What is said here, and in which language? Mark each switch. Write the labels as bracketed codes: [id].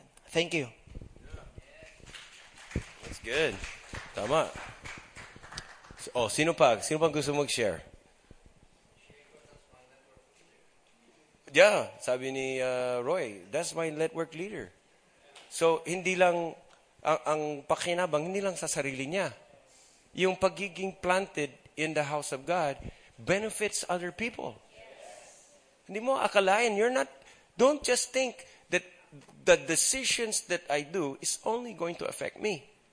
[en] Thank you. That's good. [tl] Tama. Oh, sino pa gusto mag-share? [en] Yeah, [tl] sabi ni [en] Roy, that's my network leader. [tl] So, hindi lang, ang pakinabang, hindi lang sa sarili niya. [en] Yung pagiging planted in the house of God benefits other people. Yes. [tl] Hindi mo akalain, [en] don't just think that the decisions that I do is only going to affect me.